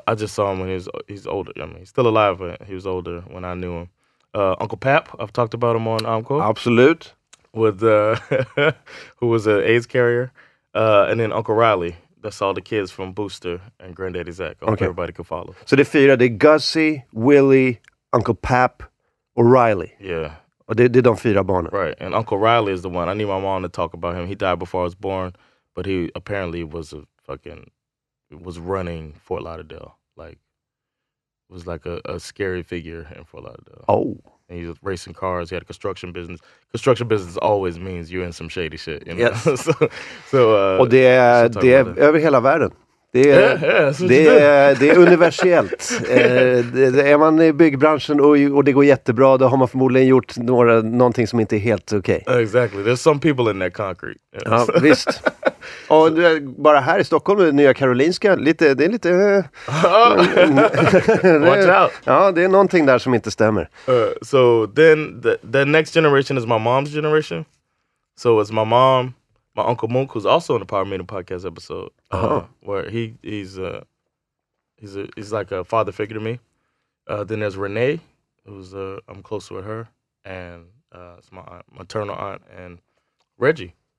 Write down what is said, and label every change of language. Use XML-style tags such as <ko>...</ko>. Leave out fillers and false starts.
<en>I just saw him when he's older. I mean, he's still alive, but he was older when I knew him. Uncle Pap, I've talked about him on Encore. Absolute. With who was an AIDS carrier. And then Uncle Riley, that's all the kids from Booster and Granddaddy Zach. Okay. Everybody could follow. So the</en> <sv>fyra, det är Gussie, Willie, Uncle Pap, och Riley.</sv> <en>Yeah.</en> <sv>Och det är de fyra barnen.</sv> <en>Right, and Uncle Riley is the one. I need my mom to talk about him. He died before I was born, but he apparently was running Fort Lauderdale. Like, was like a scary figure in Fort Lauderdale. Oh. And he was racing cars. He had a construction business. Construction business always means you're in some shady shit, you know? Yes. So,</en> <sv>och det är över hela världen. Det är, det är universellt. Är man i byggbranschen och det går jättebra, då har man förmodligen gjort någonting som inte är helt okej.</sv> <en>Okay. Exactly. There's some people in that concrete.</en> <sv>Ja, visst. Och bara här i Stockholm, Nya Karolinska, det är lite...</sv> <en>Watch out.</en> <sv>Ja, det är någonting där som inte stämmer.</sv> <en>So then the next generation is my mom's generation. So it's my mom... My Uncle Monk, who's also on the Power Meeting podcast episode, where he's like a father figure to me. Then there's Renee, who's I'm close with her, and it's my aunt, maternal aunt, and Reggie.</en>